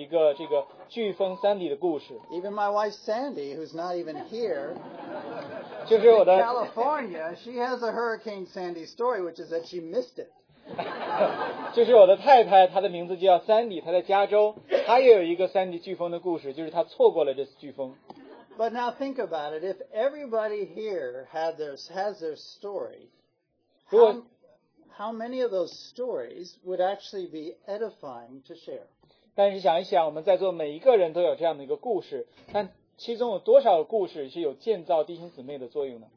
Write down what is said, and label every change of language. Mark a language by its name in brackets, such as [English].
[Chinese] 如果你看可以读到每一个人的头脑的思想的话，你看每一个人都有一个这个飓风Sandy的故事。 [English] Even my wife Sandy, who's not even here, [Chinese] 就是我的, [English] in California, she has a Hurricane Sandy story, which is that she missed it. [Chinese] 就是我的太太，她的名字叫Sandy，她在加州，她也有一个Sandy飓风的故事，就是她错过了这次飓风。 [English] But now think about it, if everybody here had their, has their story, how many of those stories would actually be edifying to share? [Chinese] 但是想一想，我们在座每一个人都有这样的一个故事， 但其中有多少故事是有建造弟兄姊妹的作用呢？